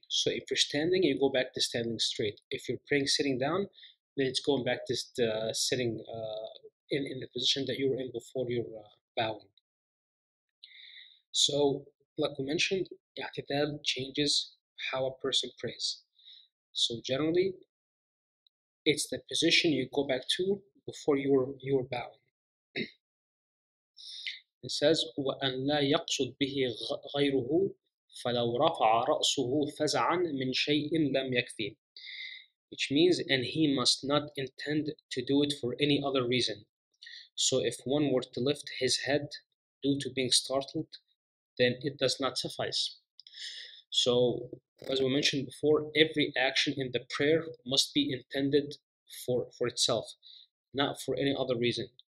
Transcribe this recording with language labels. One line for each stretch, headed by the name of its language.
English: So if you're standing, you go back to standing straight. If you're praying sitting down, then it's going back to sitting in the position that you were in before you're bowing. So like we mentioned, i'tidal changes how a person prays. So generally, it's the position you go back to before you're bowing.
Arabic: It says, وَأَنْ لَا يَقْصُدْ بِهِ غَيْرُهُ فَلَوْ رَفَعَ رَأْسُهُ فَزَعًا مِنْ شَيْءٍ لَمْ يَكْفِي.
English: Which means, and he must not intend to do it for any other reason. So if one were to lift his head due to being startled, then it does not suffice. So as we mentioned before, every action in the prayer must be intended for itself, not for any other reason.